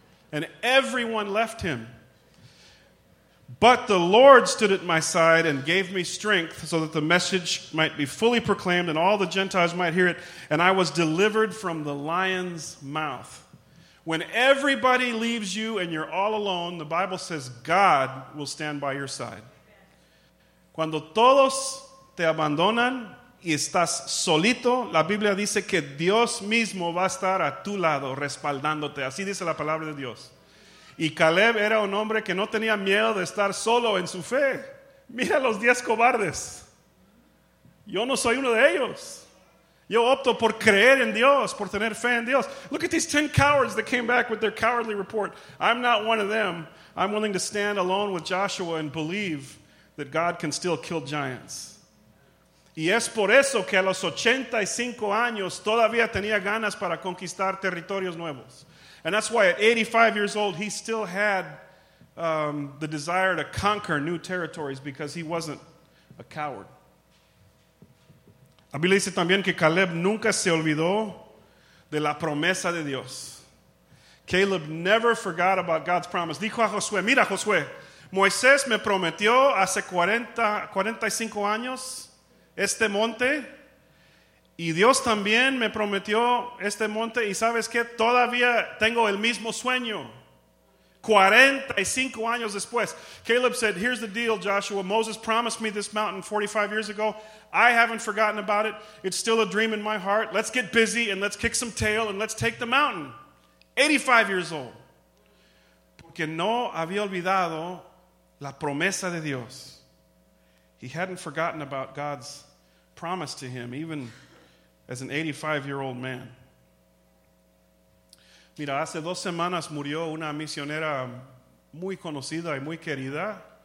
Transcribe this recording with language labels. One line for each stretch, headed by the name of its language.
English: And everyone left him. But the Lord stood at my side and gave me strength so that the message might be fully proclaimed and all the Gentiles might hear it. And I was delivered from the lion's mouth. When everybody leaves you and you're all alone, the Bible says God will stand by your side.
Spanish: Cuando todos te abandonan, y estás solito, la Biblia dice que Dios mismo va a estar a tu lado respaldándote. Así dice la palabra de Dios. Y Caleb era un hombre que no tenía miedo de estar solo en su fe. Mira los 10 cobardes. Yo no soy uno de ellos. Yo opto por creer en Dios, por tener fe en Dios.
English: Look at these 10 cowards that came back with their cowardly report. I'm not one of them. I'm willing to stand alone with Joshua and believe that God can still kill giants.
Spanish: Y es por eso que a los 85 años todavía tenía ganas para conquistar territorios nuevos.
English: And that's why at 85 years old he still had the desire to conquer new territories because he wasn't a coward.
Spanish: La Biblia dice también que Caleb nunca se olvidó de la promesa de Dios.
English: Caleb never forgot about God's promise.
Spanish: Dijo a Josué, mira Josué, Moisés me prometió hace 45 años este monte, y Dios también me prometió este monte, y sabes qué, todavía tengo el mismo sueño. 45 años después,
English: Caleb said, here's the deal, Joshua. Moses promised me this mountain 45 years ago. I haven't forgotten about it. It's still a dream in my heart. Let's get busy and let's kick some tail and let's take the mountain. 85 years old.
Spanish: Porque no había olvidado la promesa de Dios.
English: He hadn't forgotten about God's promise to him, even as an 85-year-old man.
Spanish: Mira, hace dos semanas murió una misionera muy conocida y muy querida.